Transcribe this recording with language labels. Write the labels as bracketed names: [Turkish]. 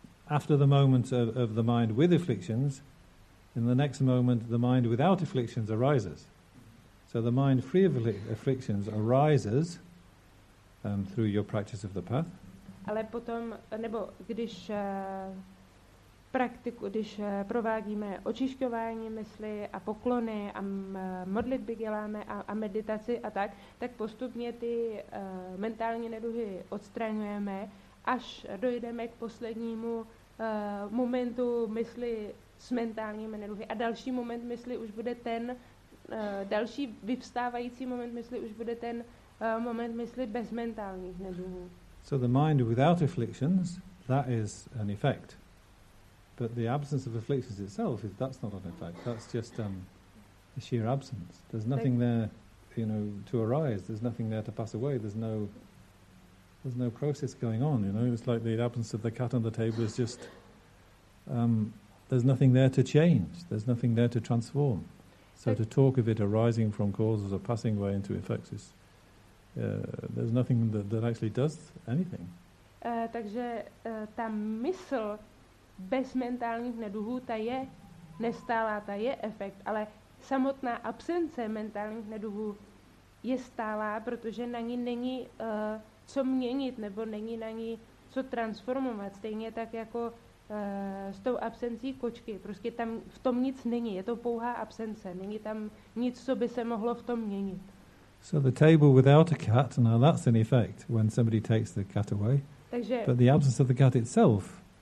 [English] After the moment of the mind with afflictions, in the next moment the mind without afflictions arises. So the mind free of afflictions arises through your practice of the path. [Czech] Ale potom, nebo když praktiku, když provádíme očišťování mysli a poklony a modlitby děláme a meditaci a tak, tak postupně ty mentální neduhy odstraňujeme, až dojdeme k poslednímu momentu mysli s mentálními neduhy. A další moment mysli už bude ten, další vyvstávající moment mysli už bude ten moment mysli bez mentálních neduhů. [English] So the mind without afflictions, that is an effect. But the absence of afflictions itself, that's not an effect. That's just a sheer absence. There's nothing there, you know, to arise. There's nothing there to pass away. There's no process going on, you know. It's like the absence of the cat on the table is just... there's nothing there to change. There's nothing there to transform. So to talk of it arising from causes or passing away into effects is... there's nothing that actually does anything. [Czech] Takže ta mysl bez mentálních neduhů, ta je nestálá, ta je efekt, ale samotná absence mentálních neduhů je stálá, protože na ní není co měnit, nebo není na ní co transformovat. Stejně tak jako s tou absencí kočky. Prostě tam v tom nic není, je to pouhá absence. Není tam nic, co by se mohlo v tom měnit. [English] So the table without a cat, now that's an effect when somebody takes the cat away. [Czech] Takže [English] but the absence of the cat itself